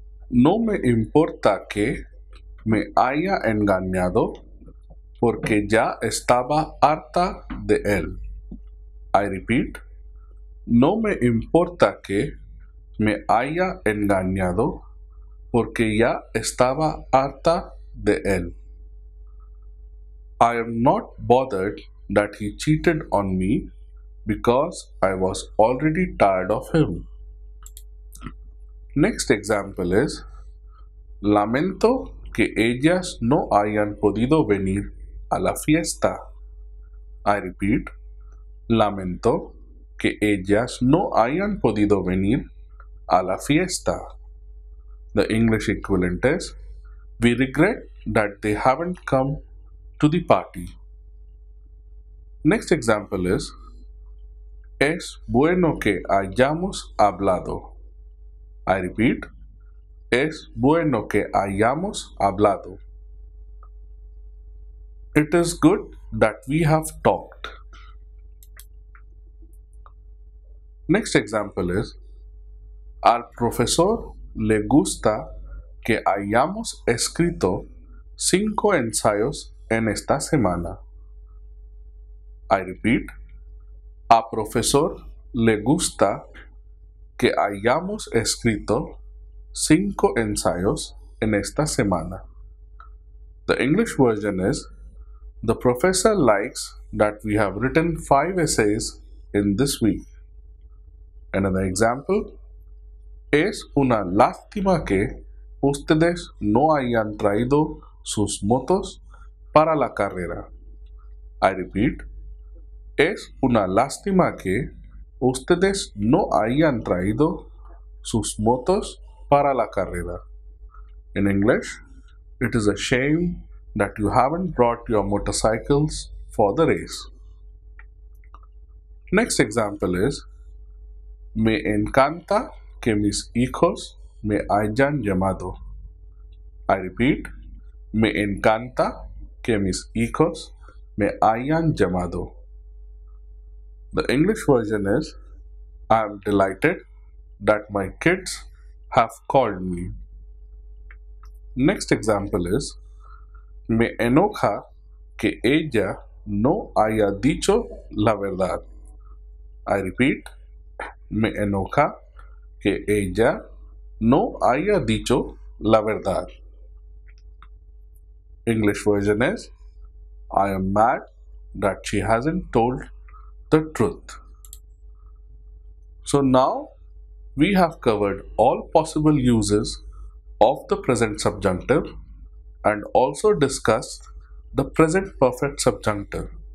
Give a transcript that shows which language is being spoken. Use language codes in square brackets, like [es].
[es] No me importa que me haya engañado porque ya estaba harta de él. [en] I repeat. [es] No me importa que me haya engañado porque ya estaba harta de él. [en] I am not bothered that he cheated on me because I was already tired of him. Next example is, [es] lamento que ellas no hayan podido venir a la fiesta. [en] I repeat, [es] lamento que ellas no hayan podido venir a la fiesta. [en] The English equivalent is, we regret that they haven't come to the party. Next example is, [es] es bueno que hayamos hablado. [en] I repeat, [es] es bueno que hayamos hablado. [en] It is good that we have talked. Next example is, [es] al profesor le gusta que hayamos escrito 5 ensayos en esta semana. [en] I repeat, [es] a profesor le gusta que hayamos escrito 5 ensayos en esta semana. [en] The English version is, the professor likes that we have written 5 essays in this week. Another example, [es] es una lástima que ustedes no hayan traído sus motos para la carrera. [en] I repeat, [es] es una lástima que ustedes no hayan traído sus motos para la carrera. [en] In English, it is a shame that you haven't brought your motorcycles for the race. Next example is, [es] me encanta que mis hijos me hayan llamado. [en] I repeat, [es] me encanta que mis hijos me hayan llamado. [en] The English version is, I am delighted that my kids have called me. Next example is, [es] me enoja que ella no haya dicho la verdad. [en] I repeat, [es] me enoja que ella no haya dicho la verdad. [en] English version is, I am mad that she hasn't told the truth. So now we have covered all possible uses of the present subjunctive and also discussed the present perfect subjunctive.